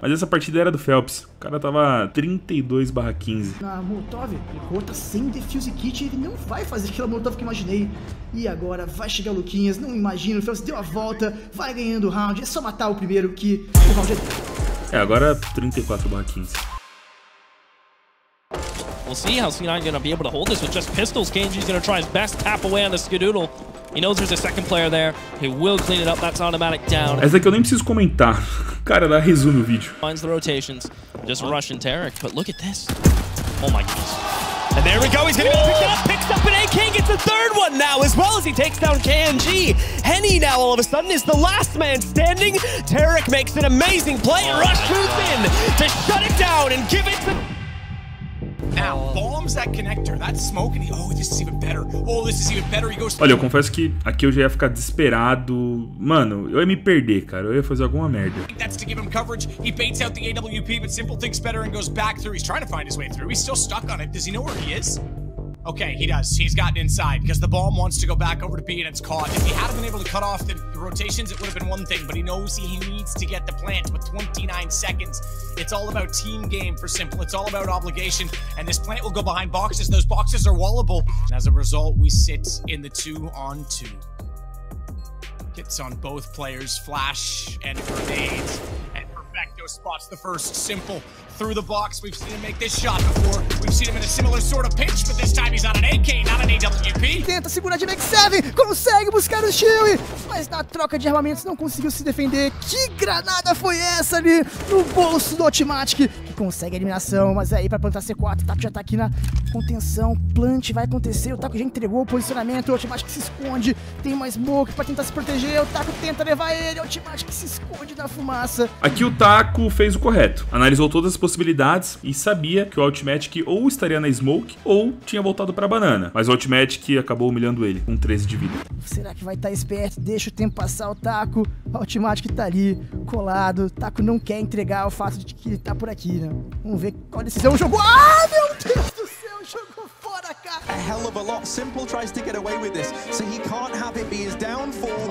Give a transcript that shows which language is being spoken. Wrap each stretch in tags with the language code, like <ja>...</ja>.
<pt>Mas essa partida era do Phelps, o cara tava 32/15. Na Molotov, ele corta sem defuse kit, ele não vai fazer aquela Molotov que imaginei. E agora vai chegar o Luquinhas, não imagino, o Phelps deu a volta, vai ganhando o round, é só matar o primeiro que o round é... É, agora 34/15.</pt> <en>We'll see how C9 gonna be able to hold this with just pistols. Kanji's gonna try his best tap away on the Skadoodle. He knows there's a second player there. He will clean it up, that's automatic down.</en> <pt>Essa aqui eu nem preciso comentar. Cara, dá resumo o vídeo.</pt> <en>Finds the rotations. Just rushing Tarek, but look at this. Oh my goodness. And there we go, he's gonna pick it up, picks up an AK, gets the third one now, as well as he takes down KNG. Henny now, all of a sudden, is the last man standing. Tarek makes an amazing play, Rush Tooth in to shut it down and give it to... Now, bombs that connector, that smoke, and he... Oh, this is even better. Oh, this is even better, he goes...</en> <pt>Olha, eu confesso que aqui eu já ia ficar desesperado. Mano, eu ia me perder, cara, eu ia fazer alguma merda.</pt> <en>That's to give him coverage, he baits out the AWP, but Simple thinks better and goes back through. He's trying to find his way through, he's still stuck on it. Does he know where he is? Okay, he does. He's gotten inside because the bomb wants to go back over to B and it's caught. If he had been able to cut off the rotations, it would have been one thing, but he knows he needs to get the plant with 29 seconds. It's all about team game for Simple. It's all about obligation, and this plant will go behind boxes. Those boxes are wallable. And as a result, we sit in the 2-on-2. Hits on both players, flash and grenades, and Perfecto spots the first Simple. Through the box, we've seen him make this shot before. We've seen him in a similar sort of pitch, but this time he's not an AK, not an AWP.</en> <pt>Tenta segurar de Mac7, consegue buscar o Chewie, mas na troca de armamentos não conseguiu se defender. Que granada foi essa ali no bolso do Automatic, que consegue a eliminação, mas aí pra plantar C4, o Taco já tá aqui na contenção. Plant vai acontecer, o Taco já entregou o posicionamento, o Automatic se esconde, tem uma smoke pra tentar se proteger, o Taco tenta levar ele, o Automatic se esconde na fumaça. Aqui o Taco fez o correto, analisou todas possibilidades e sabia que o Automatic ou estaria na smoke ou tinha voltado pra banana, mas o Automatic acabou humilhando ele com 13 de vida. Será que vai estar esperto? Deixa o tempo passar, o Taco. O Automatic tá ali colado, o Taco não quer entregar o fato de que ele tá por aqui, né? Vamos ver qual decisão jogou. Ah, meu Deus do céu, jogou fora, cara!</pt> <en>A hell of a lot. Simple tries to get away with this, so he can't have it be his downfall.</en>